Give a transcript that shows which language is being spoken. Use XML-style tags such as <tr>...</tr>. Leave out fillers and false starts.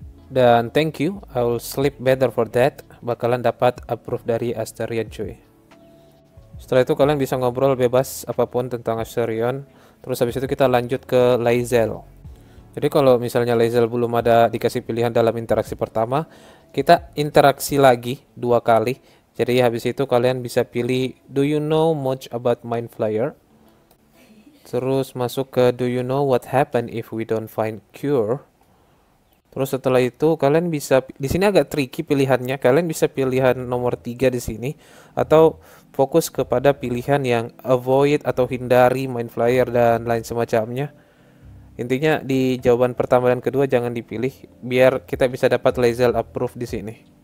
<en>Dan thank you, I will sleep better for that.</en> <id>Bakalan dapat approve dari Astarion, cuy. Setelah itu kalian bisa ngobrol bebas apapun tentang Astarion. Terus habis itu kita lanjut ke Lyzel. Jadi kalau misalnya Lyzel belum ada dikasih pilihan dalam interaksi pertama, kita interaksi lagi dua kali. Jadi habis itu kalian bisa pilih</id> <en>do you know much about Mind Flayer?</en> <id>Terus masuk ke</id> <en>do you know what happen if we don't find cure?</en> <id>Terus setelah itu kalian bisa, di sini agak tricky pilihannya. Kalian bisa pilihan nomor 3 di sini atau fokus kepada pilihan yang avoid atau hindari Mind Flayer dan lain semacamnya. Intinya di jawaban pertama dan kedua jangan dipilih biar kita bisa dapat Lyzel approve di sini.</id>